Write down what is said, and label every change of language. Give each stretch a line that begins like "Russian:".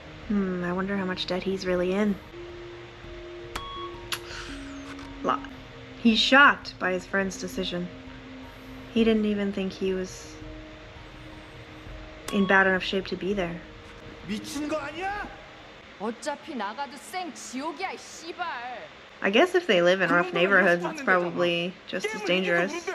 English: I wonder how much debt he's really in. He's shocked by his friend's decision. He didn't even think he was in bad enough shape to be there.
Korean: 미친 거 아니야? 어차피 나가도 쌩 지옥이야, 씨발.
English: I guess if they live in rough neighborhoods, it's probably just as dangerous.